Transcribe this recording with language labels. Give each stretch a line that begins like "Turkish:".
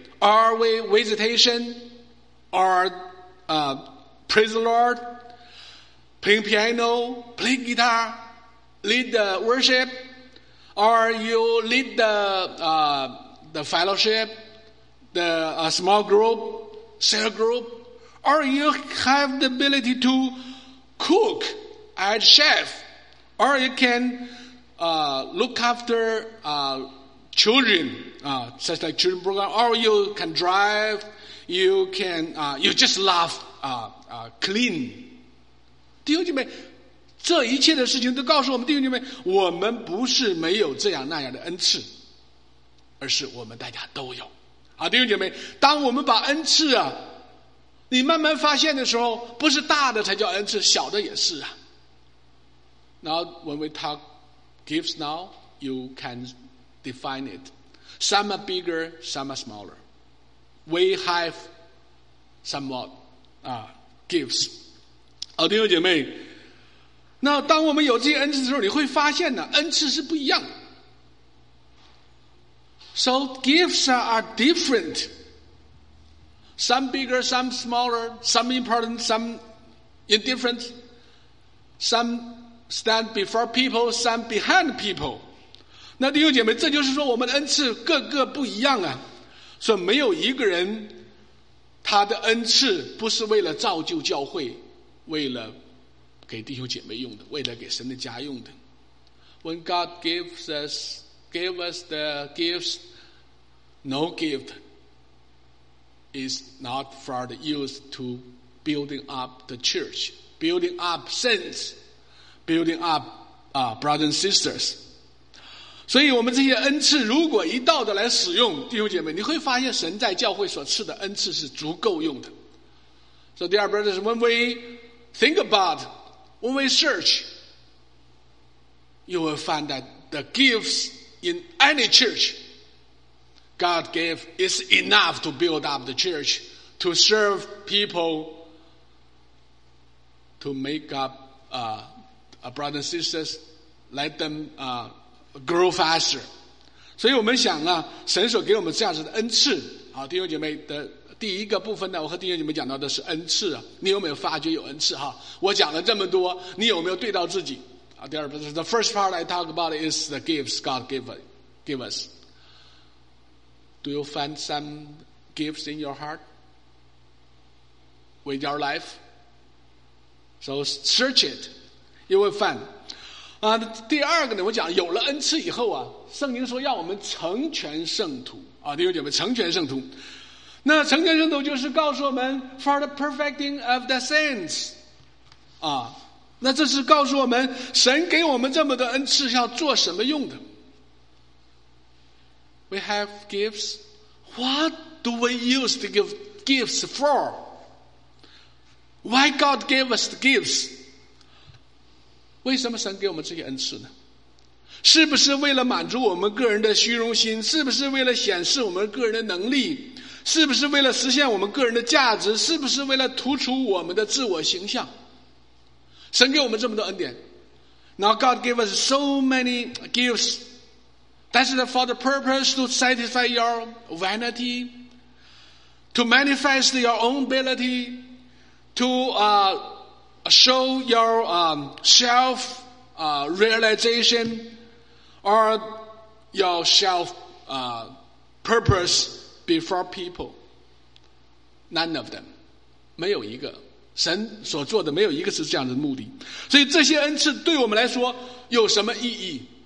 English: Or visitation, or praise the Lord, playing piano, playing guitar, lead the worship, or you lead the fellowship, the small group, cell group, or you have the ability to cook as chef, or you can look after children, such like children program, or you can drive, you can, you just love, clean.
Chinese: 弟兄姐妹，这一切的事情都告诉我们，弟兄姐妹，我们不是没有这样那样的恩赐，而是我们大家都有。啊，弟兄姐妹，当我们把恩赐啊，你慢慢发现的时候，不是大的才叫恩赐，小的也是啊。
English: Now, when we talk gifts now, you can define it. Some are bigger, some are smaller. We have somewhat gifts.
Chinese: 好，弟兄姐妹，那当我们有这些恩赐的时候，你会发现呢，恩赐是不一样的。
English: So gifts are different. Some bigger, some smaller, some important, some indifferent. Some stand before people, some behind people.
Chinese: 那弟兄姐妹，这就是说我们的恩赐各个不一样啊，所以没有一个人他的恩赐不是为了造就教会，为了给弟兄姐妹用的，为了给神的家用的。
English: When God gave us the gifts, no gift is not for the use to building up the church, building up saints, building up brothers and sisters.
Chinese: 所以我们这些恩赐如果一道的来使用，弟兄姐妹，你会发现神在教会所赐的恩赐是足够用的。
English: So dear brothers, when we think about, when we search, you will find that the gifts in any church God gave is enough to build up the church, to serve people, to make up brothers and sisters, let them grow faster.
Chinese: 所以我们想啊，神所给我们这样子的恩赐，好，弟兄姐妹的第一个部分呢，我和弟兄姐妹讲到的是恩赐啊，你有没有发觉有恩赐哈？我讲了这么多，你有没有对到自己？
English: 啊，
Chinese: 第二部分
English: ，the first part I talk about is the gifts God give us. Do you find some gifts in your heart with your life? So search it, you will find.
Chinese: 第二个呢，我讲有了恩赐以后啊，圣经说要我们成全圣徒啊，弟兄姐妹，成全圣徒。那成全圣徒就是告诉我们
English: for the perfecting of the saints
Chinese: 啊，那这是告诉我们神给我们这么多恩赐要做什么用的。
English: We have gifts. What do we use to give gifts for? Why God gave us the gifts?
Chinese: 为什么神给我们这些恩赐呢？是不是为了满足我们个人的虚荣心？是不是为了显示我们个人的能力？是不是为了实现我们个人的价值？是不是为了突出我们的自我形象？神给我们这么多恩典。
English: Now God gave us so many gifts. That's for the purpose to satisfy your vanity, to manifest your own ability, to show your self-realization or your self-purpose before people. None of them.
Chinese: 没有一个。神所做的没有一个是这样的目的。所以这些恩赐对我们来说有什么意义？